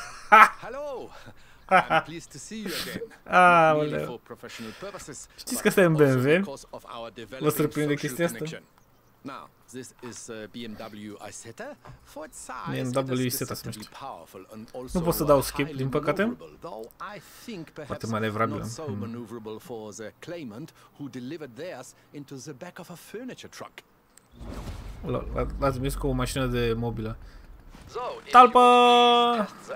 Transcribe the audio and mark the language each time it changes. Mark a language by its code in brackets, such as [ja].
[en] Hello! I'm pleased to see you again. Ah, for professional purposes. [ro] Știți că stai în BMW? Vă surprinde chestia asta? [en] Now, this is a BMW Isetta. For its size, [ro] BMW Isetta, se numește. Nu pot să dau skip, din păcate. Foarte manevrabilă. [en] Not so maneuverable for the claimant who delivered theirs into the back of a furniture truck. [ro] L-ați mis cu o mașină de mobilă. Talpa!